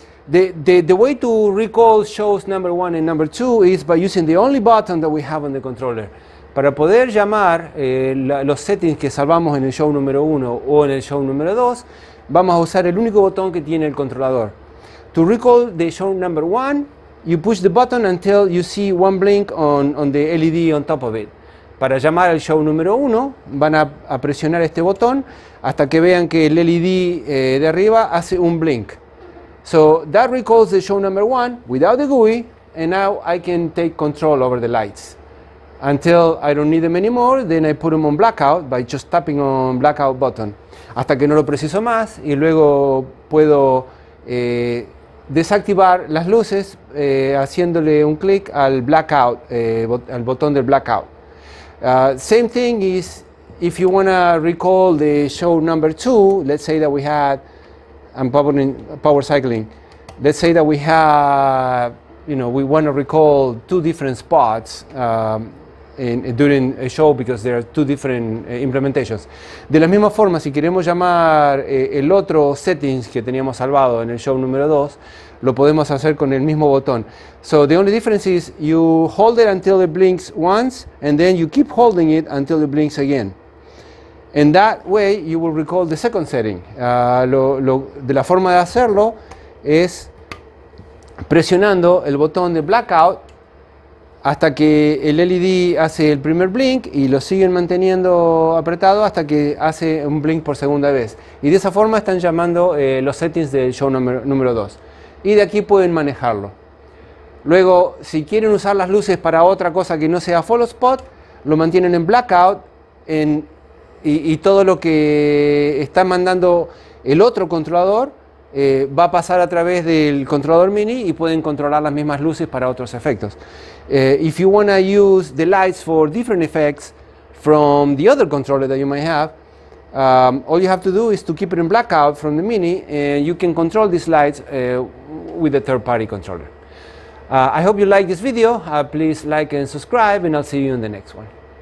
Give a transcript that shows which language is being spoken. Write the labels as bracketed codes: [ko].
[en] The way to recall shows number 1 and number 2 is by using the only button that we have on the controller. [es] Para poder llamar los settings que salvamos en el show número 1 o en el show número 2, vamos a usar el único botón que tiene el controlador. [en] To recall the show number 1, you push the button until you see one blink on the LED on top of it. [es] Para llamar al show número 1, van a presionar este botón hasta que vean que el LED de arriba hace un blink. [en] So that recalls the show number 1 without the GUI, and now I can take control over the lights. Until I don't need them anymore, then I put them on blackout by just tapping on blackout button. [es] Hasta que no lo preciso más, y luego puedo desactivar las luces haciéndole un clic al blackout, al botón del blackout. [en] Same thing is if you want to recall the show number 2, let's say that we had, let's say that we have, we want to recall two different spots during a show because there are two different implementations. [es] De la misma forma, si queremos llamar el otro settings que teníamos salvado en el show número 2, lo podemos hacer con el mismo botón. [en] So the only difference is you hold it until it blinks once and then you keep holding it until it blinks again. And that way you will recall the second setting. [es] De la forma de hacerlo es presionando el botón de blackout hasta que el LED hace el primer blink y lo siguen manteniendo apretado hasta que hace un blink por segunda vez. Y de esa forma están llamando los settings del show número 2. Y de aquí pueden manejarlo. Luego, si quieren usar las luces para otra cosa que no sea follow spot, lo mantienen en blackout y todo lo que está mandando el otro controlador va a pasar a través del controlador mini y pueden controlar las mismas luces para otros efectos. [en] If you want to use the lights for different effects from the other controller that you might have, all you have to do is to keep it in blackout from the mini and you can control these lights with a third-party controller. I hope you like this video. Please like and subscribe, and I'll see you in the next one.